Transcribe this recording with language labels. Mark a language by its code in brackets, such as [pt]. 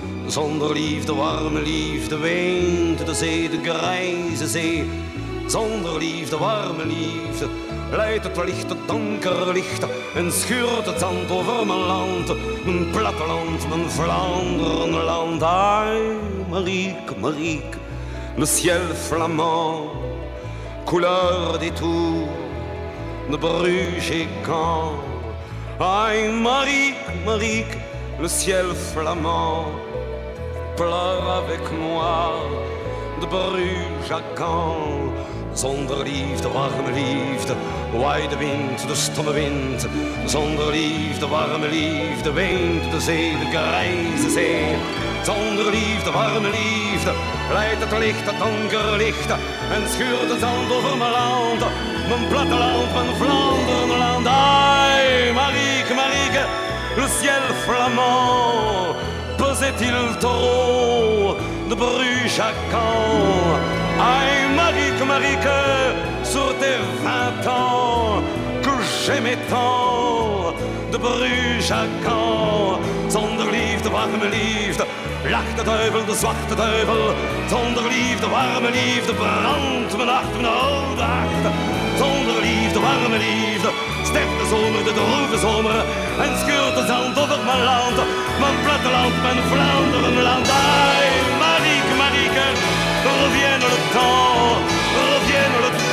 [nl] Zonder liefde, warme liefde, weent de zee, de grijze zee. Zonder liefde, warme liefde, leidt het licht, het donker licht. En schuurt het zand over mijn land, mijn platteland, mijn Vlaanderenland. [fr] Ai, Marique, Marique, le ciel flamand, couleur des tours, de Bruges et Caen. Ai, Marique, Marique, le ciel flamand, pleure avec moi de Bruges à Caen. [nl] Zonder liefde, warme liefde, waait de wind, de stomme wind. Zonder liefde, warme liefde, weent de zee, de grijze zee. Zonder liefde, warme liefde, leidt het licht, het donker licht. En schuurt het zand over mijn land, mijn platteland, mijn Vlaanderenland. [fr] Ai, Marique, Marique, le ciel flamand. Pesait-il trop de Bruges à Caen? Aïe, Marique, Marique, sur tes 20 ans, que j'aimais tant de Bruges à Caen. [nl] Zonder liefde, warme liefde, lacht de duivel, de zwarte duivel. Zonder liefde, warme liefde, brandt mijn hart, mijn oude hart. Zonder liefde, warme liefde, sterft de zomer, de droeve zomer. En scheurt de zand over mijn land, mijn platteland, mijn Vlaanderenland. [fr] Aïe, Marique, Marique, revienne le temps, revienne le temps.